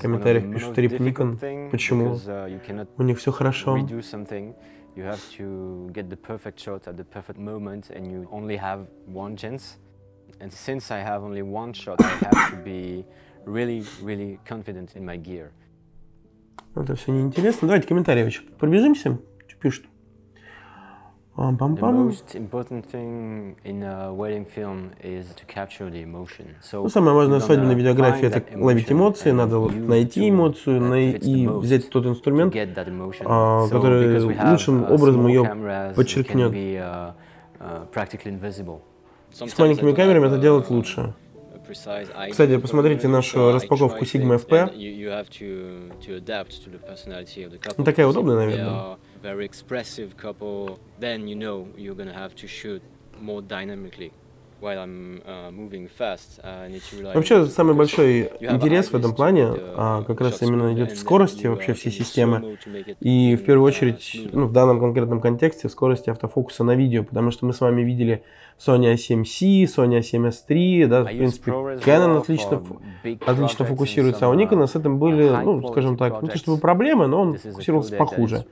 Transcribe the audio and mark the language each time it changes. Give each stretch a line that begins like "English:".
Russian: комментариях пишут Рип Никон, почему у них все хорошо.
English: You have to get the perfect shot at the perfect moment, and you only have one chance. And since I have only one shot, I have to be really, really confident in my gear.
Russian: Это все неинтересно. Давайте комментарии еще пробежимся. Что пишут?
English: The most important thing in a wedding film is to capture the emotion.
Russian: So, ну, самое важное в свадебной видеографии — это ловить эмоции, надо найти эмоцию и взять тот инструмент, который лучшим образом ее подчеркнет. С маленькими камерами это делать лучше. Кстати, посмотрите нашу распаковку Sigma FP. Она такая удобная, наверное.
English: Very expressive couple, then you know you're gonna have to shoot more dynamically while I'm moving fast.
Russian: Вообще, самый большой интерес в этом плане как раз именно идет в скорости вообще всей системы. И в первую очередь, ну, в данном конкретном контексте, в скорости автофокуса на видео, потому что мы с вами видели Sony A7C, Sony A7S3, да, в принципе, Canon отлично фокусируется, а у Nikon с этим были, ну, скажем так, не то чтобы проблемы, но он фокусировался похуже.